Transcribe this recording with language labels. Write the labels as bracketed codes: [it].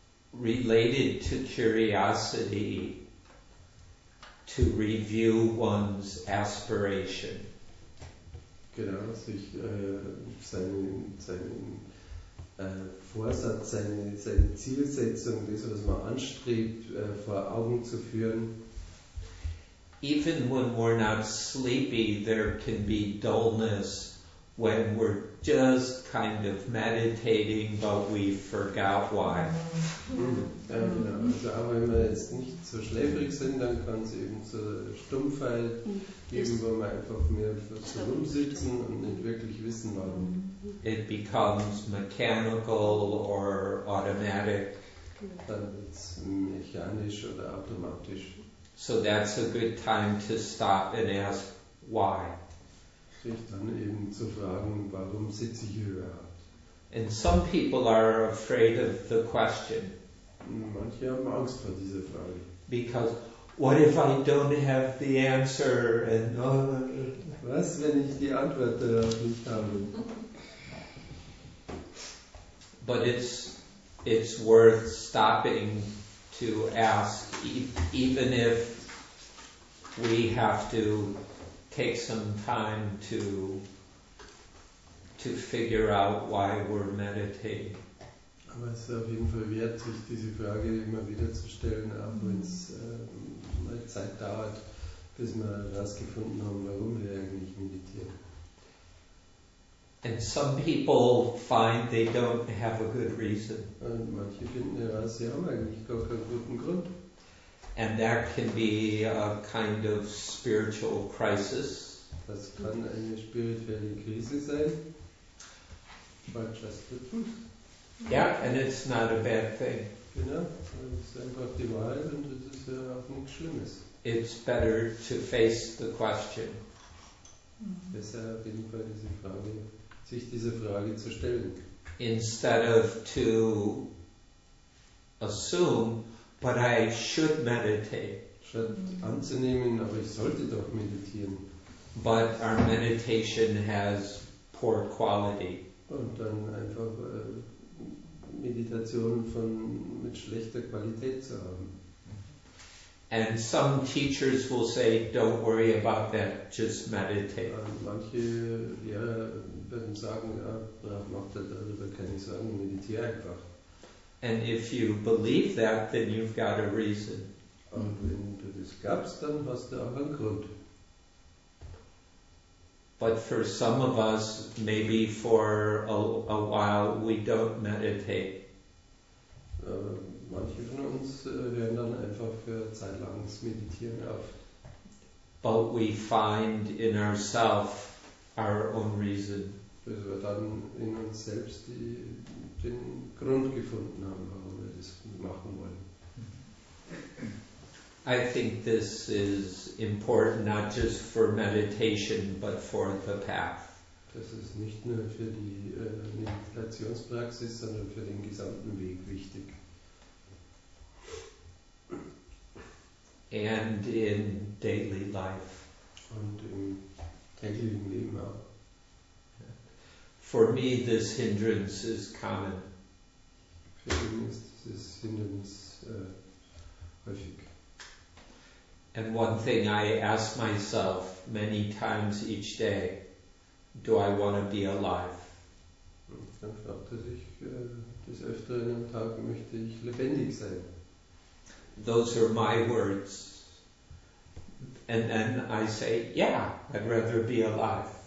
[en] Related to curiosity, to review one's aspiration. [de] Genau, sich seinen Vorsatz, seine Zielsetzung, das, was man anstrebt, vor Augen zu führen. [en] Even when we're not sleepy, there can be dullness when we're just kind of meditating, but we forgot why. [de] Also auch wenn wir jetzt nicht so schläfrig sind, dann kann es eben zur Stumpfheit geben, wo wir einfach mehr so rumsitzen und nicht wirklich wissen, warum. [en] It becomes mechanical or automatic. [de] Dann wird es mechanisch oder automatisch. [en] So that's a good time to stop and ask why. [de] Dann eben zu fragen, warum sitze ich hier überhaupt? [en] And some people are afraid of the question. [de] Manche haben Angst vor dieser Frage. [en] Because, what if I don't have the answer? And [de] was, wenn ich die Antwort darauf nicht habe? [en] But it's worth stopping to ask, even if we have to take some time to figure out why we're meditating. [de] Aber es ist auf jeden Fall wert, sich diese Frage immer wieder zu stellen, auch wenn es mal Zeit dauert, bis wir herausgefunden haben, warum wir eigentlich meditieren. [en] And some people find they don't have a good reason. [de] Und manche finden heraus, sie haben eigentlich gar keinen guten Grund. [en] And that can be a kind of spiritual crisis. [de] Das kann eine spirituelle Krise sein. [en] But just the truth. Yeah, and it's not a bad thing. [de] Genau, es ist einfach die Wahrheit und es ist ja auch nichts Schlimmes. [en] It's better to face the question. [de] Besser auf jeden Fall diese Frage, sich diese Frage zu stellen. [en] Instead of to assume, but I should meditate. [de] Statt anzunehmen, aber ich sollte doch meditieren. [en] But our meditation has poor quality. [de] Und dann einfach Meditation mit schlechter Qualität zu haben. [en] And some teachers will say, don't worry about that, just meditate. [de] Und manche Lehrer werden sagen, mach dir darüber keine Sorgen, meditiere einfach. [en] And if you believe that, then you've got a reason. [de] Und wenn du das glaubst, dann hast du auch einen Grund. [en] But for some of us, maybe for a while, we don't meditate. [de] Manche von uns werden dann einfach für Zeit lang das Meditieren auf. [en] But we find in ourselves our own reason. [de] Dass wir dann in uns selbst die, den Grund gefunden haben, warum wir das machen wollen. [en] I think this is important not just for meditation, but for the path. [de] Das ist nicht nur für die Meditationspraxis, sondern für den gesamten Weg wichtig. [en] And in daily life. [de] Und im täglichen Leben auch. [en] For me, this hindrance is common. [de] Für mich ist dieses Hindernis häufig. [en] And one thing I ask myself many times each day, do I want to be alive? [de] Dann fragte sich des Öfteren am Tag, möchte ich lebendig sein? [en] Those are my words. And then I say, yeah, I'd rather be alive.